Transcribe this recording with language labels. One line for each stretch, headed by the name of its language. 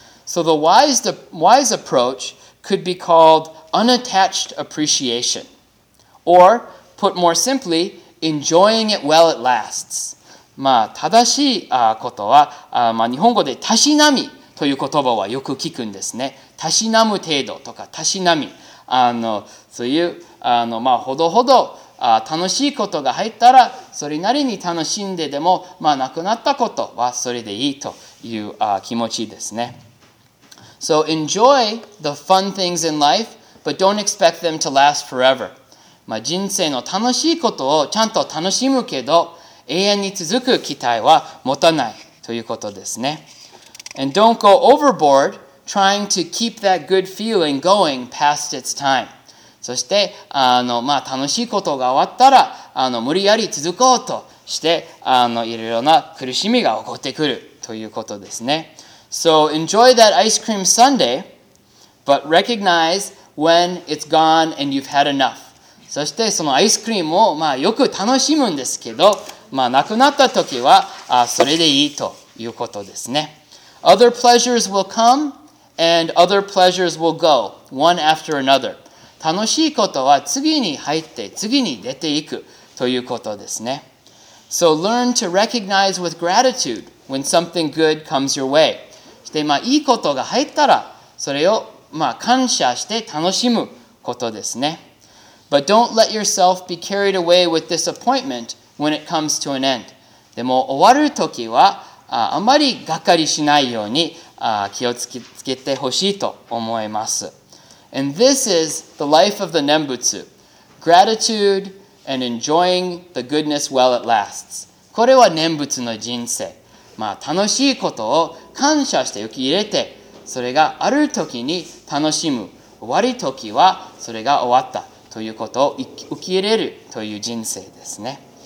English: So the wise approach could be called unattached appreciation. Or, put more simply, enjoying it while it lasts.
Japanese: まあ、正しいことは、日本語でたしなみという言葉はよく聞くんですね。たしなむ程度とかたしなみ。そういう、ほどほど楽しいことが入ったら、それなりに楽しんででも、なくなったことはそれでいいという気持ちですね。
English: So enjoy the fun things in life, but don't expect them to last forever.
Japanese: まあ、人生の楽しいことをちゃんと楽しむけど、永遠に続く期待は持たないということですね。
English: And don't go overboard trying to keep that good feeling going past its time.
Japanese: そして、楽しいことが終わったら、無理やり続こうとして、いろいろな苦しみが起こってくるということですね。
English: So enjoy that ice cream sundae, but recognize when it's gone and you've had enough.
Japanese: そしてそのアイスクリームを、よく楽しむんですけど、なくなった時はそれでいいということですね。
English: Other pleasures will come and other pleasures will go, one after another.
Japanese: 楽しいことは次に入って次に出ていくということですね。
English: So learn to recognize with gratitude when something good comes your way.
Japanese: で、いいことが入ったら、それを、感謝して楽しむことですね。
English: But don't let yourself be carried away with disappointment when it comes to an end.
Japanese: でも、終わるときは、あまりがっかりしないように、気をつけてほしいと思います。
English: And this is the life of the Nembutsu. Gratitude and enjoying the goodness while it lasts.
Japanese: これは念仏の人生。楽しいことを感謝して受け入れて、それがある時に楽しむ、終わる時はそれが終わったということを受け入れるという人生ですね。